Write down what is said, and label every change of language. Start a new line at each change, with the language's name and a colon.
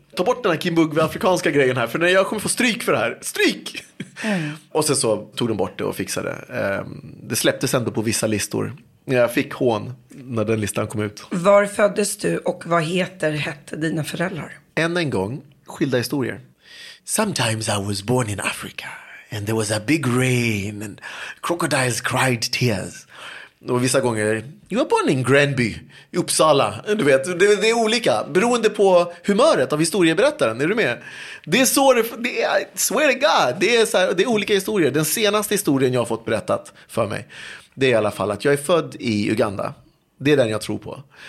Swedish: Ta bort den här Kim Bugue afrikanska grejen här, för när jag kommer få stryk för det här. Stryk! Mm. Och sen så tog de bort det och fixade det. Det släpptes ändå på vissa listor. Jag fick hån när den listan kom ut. Var föddes du och vad hette dina föräldrar? Än en gång, skilda historier.
English: Sometimes I was born in Africa and there was a big rain and crocodiles cried tears.
Swedish: Och vissa gånger,
English: you were born in Granby, Uppsala.
Swedish: Du vet, det är olika, beroende på humöret av historieberättaren, är du med? Det är så, det är,
English: swear to God,
Swedish: det är olika historier. Den senaste historien jag har fått berättat för mig, det är i alla fall att jag är född i Uganda. Det är den jag tror på.